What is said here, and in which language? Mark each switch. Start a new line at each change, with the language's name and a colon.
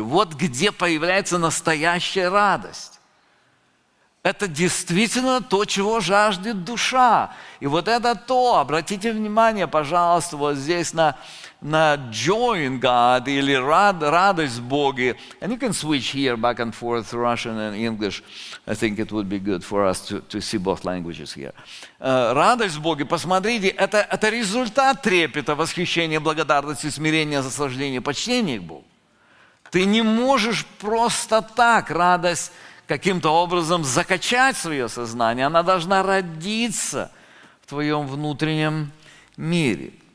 Russian: Вот где появляется настоящая радость. Это действительно то, чего жаждет душа. И вот это то. Обратите внимание, пожалуйста, вот здесь на
English: «join God»
Russian: или «радость Боги».
English: And you can switch here back and forth, Russian and English. I think it would be good for us to see both languages here.
Russian: «Радость Боги», посмотрите, это результат трепета, восхищения, благодарности, смирения, наслаждения, почтения к Богу. Ты не можешь просто так радость каким-то образом закачать в свое сознание. Она должна родиться в твоем внутреннем мире.